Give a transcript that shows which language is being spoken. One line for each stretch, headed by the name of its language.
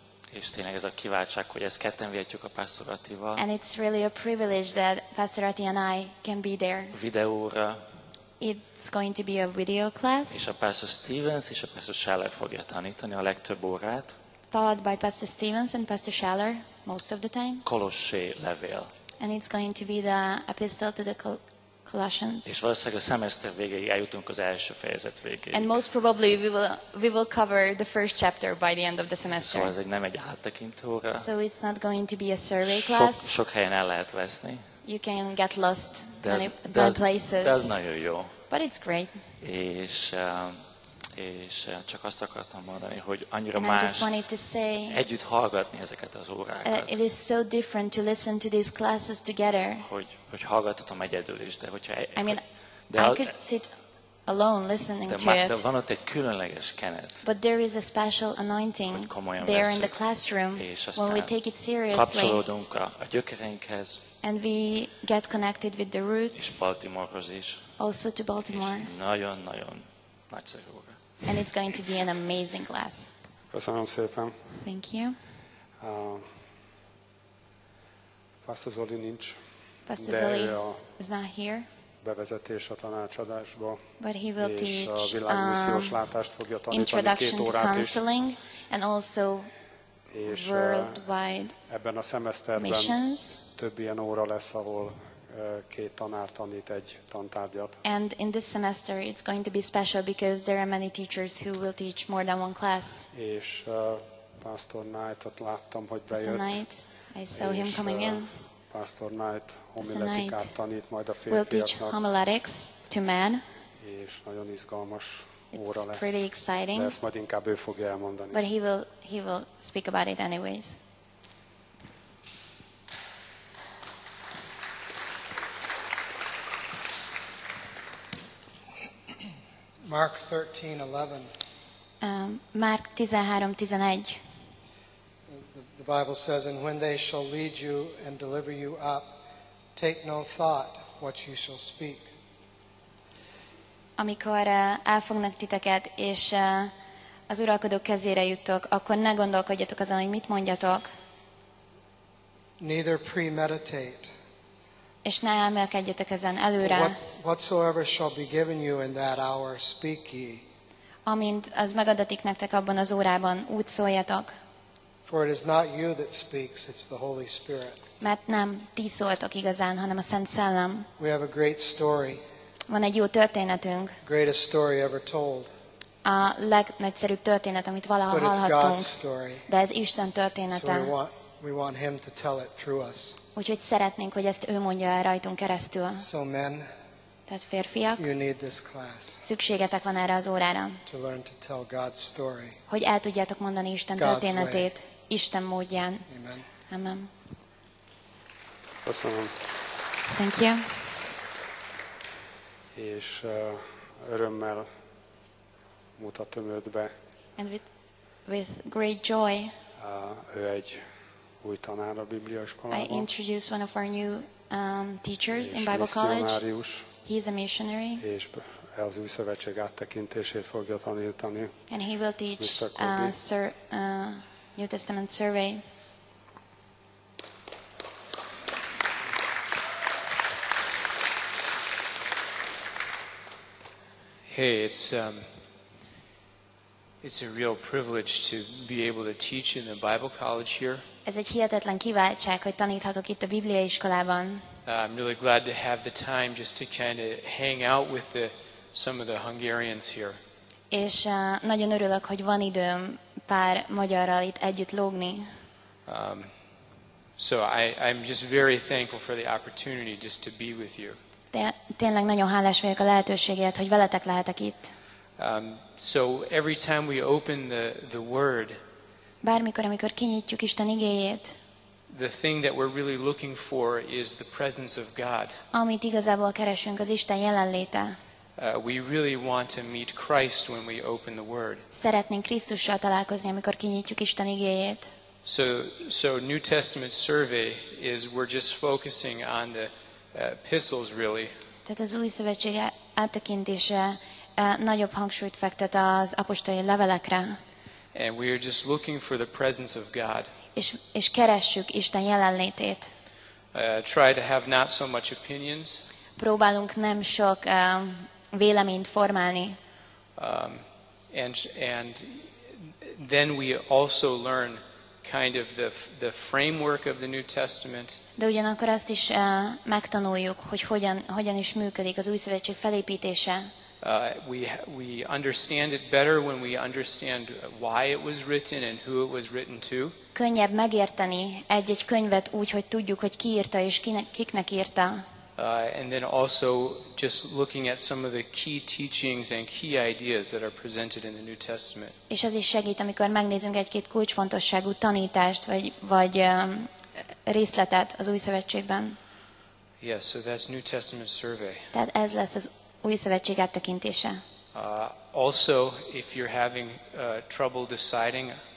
Hungarian: És tényleg ez a kiváltság, hogy ezt ketten vihetjük a Pásztor Attival.
English: And it's really a privilege that Pastor Atti and I can be there.
Hungarian: Videóra.
English: It's going to be a video class.
Hungarian: És a Pastor Stevens és a Pastor Schaller fogja tanítani a legtöbb órát.
English: Taught by Pastor Stevens and Pastor Schaller most of the time.
Hungarian: Kolossé levél.
English: And it's going to be the epistle to the Colossians.
Hungarian: És valószínűleg a szemeszter végéig eljutunk az első fejezet végéig.
English: And most probably we will cover the first chapter by the end of the semester.
Hungarian: Szóval ez nem egy áttekintő óra.
English: So it's not going to be a survey class.
Hungarian: Sok helyen el lehet veszni.
English: You can get lost in many places.
Hungarian: De ez nagyon jó.
English: But it's great.
Hungarian: És és csak azt akartam mondani, hogy annyira más együtt hallgatni ezeket az órákat.
English: It is so different to listen to these classes together.
Hungarian: Hogy hallgathatom egyedül is, de hogyha
English: I mean, de I could sit alone listening to it.
Hungarian: De van ott egy különleges kenet.
English: But there is a special anointing there in the classroom when we take it seriously.
Hungarian: Kapcsolódunk a gyökereinkhez.
English: And we get connected with the roots.
Hungarian: És Baltimorehoz is.
English: Also to Baltimore.
Hungarian: Nagyon, nagyon nagyszerű.
English: And it's going to be an amazing class.
Hungarian: Köszönöm szépen.
English: Thank you.
Hungarian: Pastor Zoli nincs.
English: Pastor Zoli is not here.
Hungarian: Bevezetés a tanácsadásba.
English: But he will teach.
Hungarian: És a világmissziós látást fogja tanítani két órát is.
English: Introduction to counseling and also worldwide missions.
Hungarian: Ebben a szemeszterben több ilyen óra lesz, ahol két tanár tanít egy tantárgyat.
English: And in this semester it's going to be special because there are many teachers who will teach more than one class.
Hungarian: És Pastor Knight-ot láttam, hogy bejött.
English: Pastor Knight, I saw him coming in.
Hungarian: Pastor Knight homiletikát tanít majd a férfiaknak.
English: We'll teach homiletics to men.
Hungarian: És nagyon izgalmas
English: it's
Hungarian: óra lesz.
English: It's pretty exciting.
Hungarian: De ezt majd inkább ő fogja elmondani.
English: But he will speak about it anyways. Mark 13:11. Mark 13:11. The Bible says, "And when they shall lead you and deliver you up, take no thought what you shall speak."
Hungarian: Amikor elfognak titeket és az uralkodók kezére juttok, akkor ne gondolkodjatok azon, hogy mit mondjatok.
English: Neither premeditate.
Hungarian: És ne elmélkedjetek ezen előre.
English: Whatsoever shall be given you in that hour, speak ye.
Hungarian: Amint az megadatik nektek abban az órában, úgy szóljatok.
English: For it is not you that speaks, it's the Holy Spirit.
Hungarian: Mert nem ti szóltok igazán, hanem a Szent Szellem.
English: We have a great story.
Hungarian: Van egy jó történetünk.
English: Greatest story ever told.
Hungarian: A legnagyszerűbb történet, amit valaha
English: but
Hungarian: hallhattunk.
English: But it's God's story.
Hungarian: De ez Isten története.
English: So we want him to tell it through us.
Hungarian: Úgyhogy szeretnénk, hogy ezt ő mondja el rajtunk keresztül.
English: So men,
Hungarian: tehát férfiak,
English: you need this class.
Hungarian: Szükségetek van erre az órára,
English: to learn to tell God's story.
Hungarian: Hogy el tudjátok mondani Isten
English: God's
Hungarian: történetét
English: way.
Hungarian: Isten módján. Amen. Amen. Köszönöm.
English: Thank you.
Hungarian: És örömmel mutatom őt be.
English: And with great joy.
Hungarian: Ő egy új tanár a Bibliaiskolában.
English: I introduce one of our new teachers in Bible College. He is a missionary.
Hungarian: És az új szövetség áttekintését fogja tanítani.
English: And he will teach New Testament survey. Hey, it's a real privilege to be able to teach in the Bible College here.
Hungarian: Ez egy hihetetlen kiváltság, hogy taníthatok itt a Bibliaiskolában.
English: I'm really glad to have the time just to kind of hang out with some of the Hungarians here.
Hungarian: És nagyon örülök, hogy van időm pár magyarral itt együtt lógni.
English: So I'm just very thankful for the opportunity just to be with you.
Hungarian: Tényleg nagyon hálás vagyok a lehetőségért, hogy veletek lehetek itt.
English: So every time we open the word,
Hungarian: bármikor, amikor kinyitjuk Isten igéjét,
English: the thing that we're really looking for is the presence of God.
Hungarian: Amit igazából keresünk, az Isten jelenléte.
English: We really want to meet Christ when we open the word.
Hungarian: Szeretnénk Krisztussal találkozni, amikor kinyitjuk Isten igéjét.
English: So New Testament survey is we're just focusing on the epistles really.
Hungarian: Tehát az új szövetség áttekintése nagyobb hangsúlyt fektet az apostoli levelekre.
English: And we are just looking for the presence of God.
Hungarian: És keressük Isten jelenlétét.
English: Try to have not so much opinions.
Hungarian: Próbálunk nem sok véleményt formálni.
English: And then we also learn kind of the framework of the New Testament.
Hungarian: De ugyanakkor azt is megtanuljuk, hogy hogyan is működik az új szövetség felépítése.
English: We understand it better when we understand why it was written and who it was written to.
Hungarian: Könnyebb megérteni egy-egy könyvet úgy, hogy tudjuk, hogy ki írta és kiknek írta.
English: And then also just looking at some of the key teachings and key ideas that are presented in the New Testament.
Hungarian: És az is segít, amikor megnézünk egy-két kulcsfontosságú tanítást vagy részletet az Új Szövetségben.
English: Yes, so that's New Testament survey.
Hungarian: Tehát ez lesz az Új Szövetség áttekintése.
English: Also, if you're having trouble deciding.